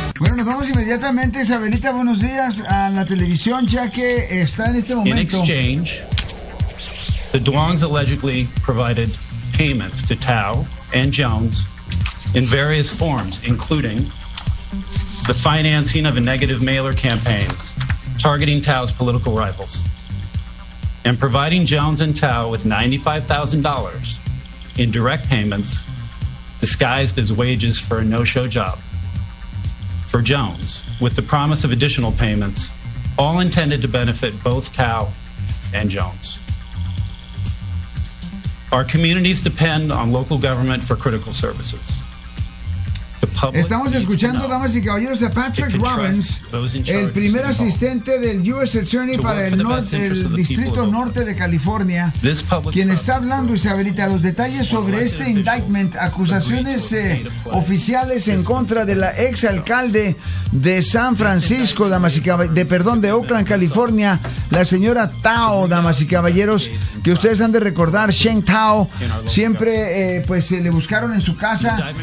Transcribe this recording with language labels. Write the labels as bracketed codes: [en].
[es] Bueno, nos vamos inmediatamente, Isabelita, buenos días, a la televisión, ya que está en este momento. [en] In exchange, the Duongs allegedly provided payments to Tao and Jones in various forms, including the financing of a negative mailer campaign targeting Tao's political rivals, and providing Jones and Tao with $95,000 in direct payments disguised as wages for a no-show job for Jones, with the promise of additional payments, all intended to benefit both Tao and Jones. Our communities depend on local government for critical services. [es] Estamos escuchando, damas y caballeros, a Patrick Robbins, el primer asistente del U.S. Attorney para el norte, el Distrito Norte de California, quien está hablando, Isabelita, los detalles sobre este indictment, acusaciones oficiales en contra de la exalcalde de San Francisco, damas y caballeros, de Oakland, California, la señora Tao, damas y caballeros, que ustedes han de recordar, Sheng Tao, siempre pues se le buscaron en su casa.